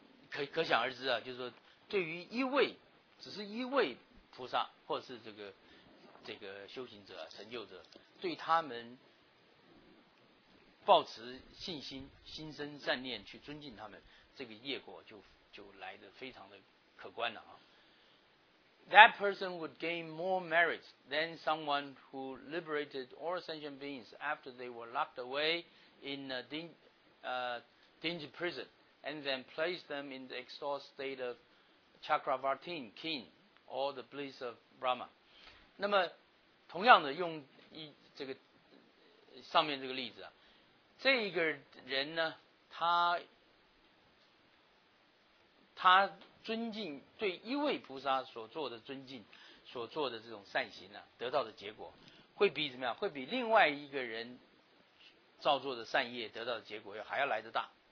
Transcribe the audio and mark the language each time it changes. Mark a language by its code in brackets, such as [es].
[zh] 可想而知啊，就是说，对于一位，只是一位菩萨或是这个修行者成就者，对他们抱持信心，心生善念去尊敬他们，这个业果就来得非常的可观了啊。 [en] That person would gain more merit than someone who liberated all sentient beings after they were locked away in a dingy prison and then placed them in the exhausted state of Chakravartin, king, or the bliss of Brahma. [zh] 那么同样的用这个上面这个例子啊，这个人呢，他尊敬，对一位菩萨所做的尊敬，所做的这种善行呢、啊，得到的结果会比怎么样？会比另外一个人造作的善业得到的结果还要来得大。